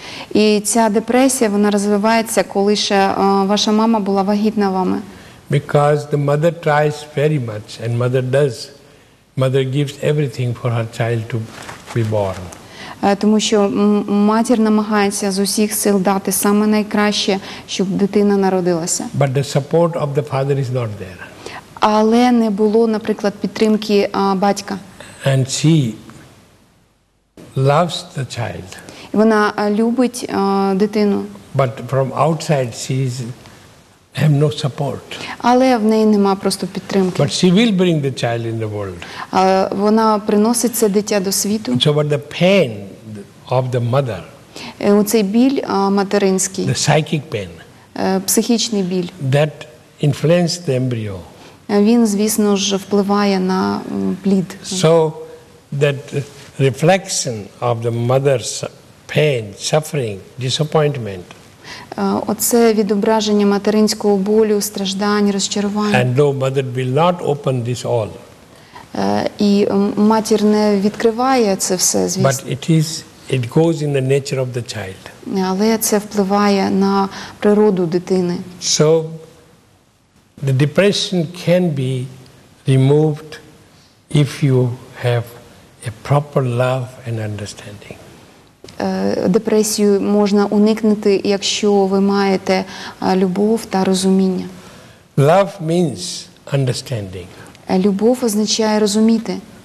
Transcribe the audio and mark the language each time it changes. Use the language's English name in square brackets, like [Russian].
[Ukrainian] І ця депресія, вона розвивається, коли ще ваша мама була вагітна вами. [English] Because the mother tries very much, and mother does. Mother gives everything for her child to be born. [Ukrainian] Тому що матір намагається з усіх сил дати саме найкраще, щоб дитина народилася. [English] But the support of the father is not there. [Ukrainian] Але не було, наприклад, підтримки батька. [English] And she loves the child. [Ukrainian] Вона любить дитину. [English] But from outside she is have no support. [Ukrainian] Але в неї нема просто підтримки. [English] But she will bring the child in the world. [Ukrainian] Вона приносить це дитя до світу. [English] So what the pain of the mother. [Ukrainian] Оцей біль материнський. [English] The psychic pain. [Ukrainian] Психічний біль. [English] That influences the embryo. [Ukrainian] Він, звісно ж, впливає на плід. [English] So that reflection of the mother's pain, suffering, disappointment. [Ukrainian] Оце відображення материнського болю, страждань, розчарування. [English] And no, mother will not open this all. [Ukrainian] І матір не відкриває це все, звісно. [English] But it goes in the nature of the child. [Ukrainian] Але це впливає на природу дитини. [English] So the depression can be removed if you have a proper love and understanding. [Ukrainian] Депресію можна уникнути, якщо ви маєте любов та розуміння. [English] Love means understanding. [Ukrainian] Любов означає розуміти.